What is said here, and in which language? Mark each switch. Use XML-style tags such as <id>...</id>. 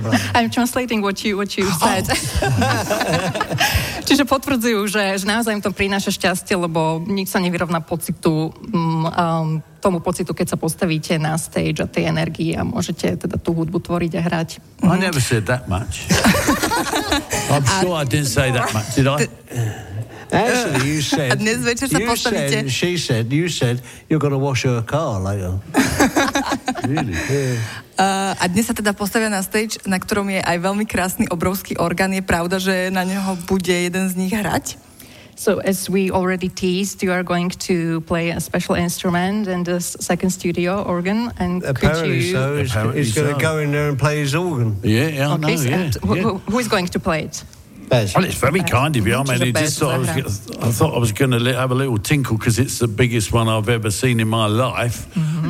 <en>I'm translating what you said.</en> <sk>Čiže potvrdzujú, že naozaj im to prináša šťastie, lebo nik sa nevyrovná pocitu, tomu pocitu, keď sa postavíte na stage a tej energii a môžete teda tú hudbu tvoriť a hrať.</sk> <en>I never said that much. I'm sure I didn't say that much, did I? Actually, you said...</en> <sk>A dnes večer sa postavíte...</sk> <en>You said, you're gonna wash her car later. Really? Yeah.</en> <sk>A dnes sa teda postavia na stage, na ktorom je aj veľmi krásny, obrovský orgán. Je pravda, že na neho bude jeden z nich hrať?</sk> <en>So as we already teased, you are going to play a special instrument in this second studio organ. And apparently could you... so. He's going to go in there and play his organ. Yeah, okay, I know, so yeah. Who is going to play it? Well, it's very kind of you. I mean, I thought I was going to have a little tinkle because it's the biggest one I've ever seen in my life. Mm-hmm.</en>